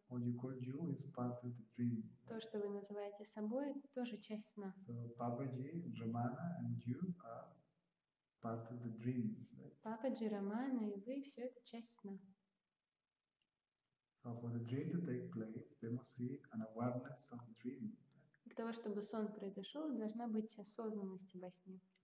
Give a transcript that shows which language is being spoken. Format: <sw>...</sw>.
<en>What you call you is part of the dream.</en> <ru>То, что вы называете собой, это тоже часть сна.</ru> <en>So Papaji, Ramana and you are part of the dream. Right?</en> <ru>Papaji, Ramana и вы – все это часть сна.</ru> <en>So for the dream to take place, there must be an awareness of the dream.</en> <ru>Для того, чтобы сон произошел, должна быть осознанность во сне.</ru>